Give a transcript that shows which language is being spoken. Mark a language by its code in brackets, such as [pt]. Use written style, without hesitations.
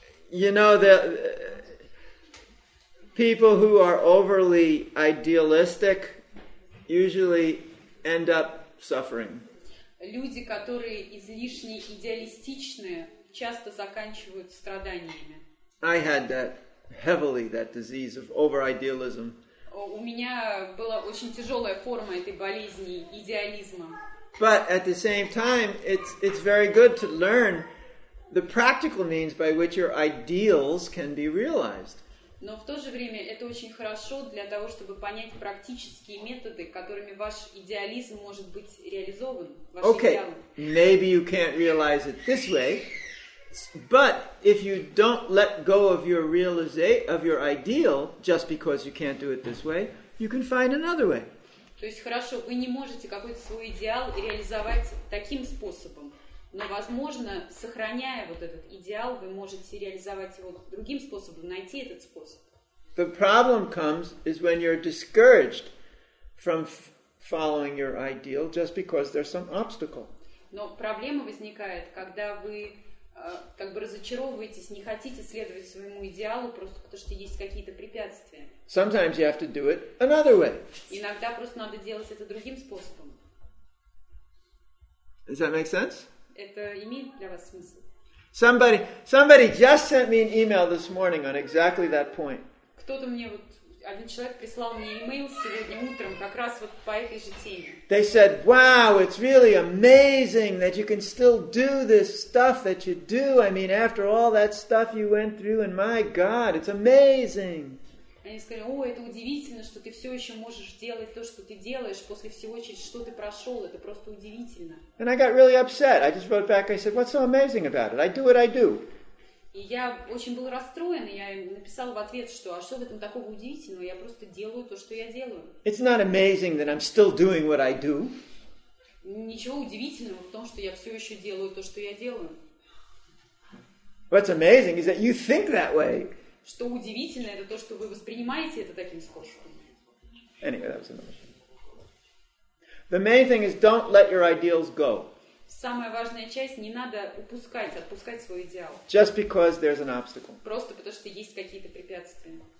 [en] you know, people who are overly idealistic usually end up suffering. [ru] Люди, которые излишне идеалистичны, часто заканчивают страданиями. [en] I had that. Heavily that disease of over-idealism. [ru] У меня была очень тяжелая форма этой болезни идеализма. [en] But at the same time, it's very good to learn the practical means by which your ideals can be realized. [ru] Но в то же время это очень хорошо для того, чтобы понять практические методы, которыми ваш идеализм может быть реализован. [en] Okay, maybe you can't realize it this way, but if you don't let go of your ideal just because you can't do it this way, you can find another way. [ru] То есть хорошо, вы не можете какой-то свой идеал реализовать таким способом. Но, возможно, сохраняя вот этот идеал, вы можете реализовать его другим способом, найти этот способ. [en] The problem comes is when you're discouraged from following your ideal just because there's some obstacle. [ru] Но проблема возникает, когда вы как бы разочаровываетесь, не хотите следовать своему идеалу просто потому, что есть какие-то препятствия. [en] Sometimes you have to do it another way. [ru] Иногда просто надо делать это другим способом. [en] Does that make sense? [ru] Это имеет для вас смысл? [en] Somebody just sent me an email this morning on exactly that point. [ru] Кто-то мне вот, один человек прислал мне email сегодня утром, как раз вот по этой же теме. [en] They said, wow, it's really amazing that you can still do this stuff that you do. I mean, after all that stuff you went through, and my God, it's amazing. [ru] Они сказали, о, это удивительно, что ты все еще можешь делать то, что ты делаешь, после всего, через что ты прошел. Это просто удивительно. [en] And I got really upset. I just wrote back, I said, what's so amazing about it? I do what I do. [ru] И я очень был расстроен, и я написал в ответ, что, а что в этом такого удивительного? Я просто делаю то, что я делаю. [en] It's not amazing that I'm still doing what I do. [ru] Ничего удивительного в том, что я все еще делаю то, что я делаю. [en] What's amazing is that you think that way. [ru] Что удивительно, это то, что вы воспринимаете это таким способом. [en] Anyway, that was another thing. The main thing is don't let your ideals go. [ru] Самая важная часть, не надо упускать, отпускать свой идеал. [en] Just because there's an obstacle. [ru] Просто потому, что есть какие-то препятствия.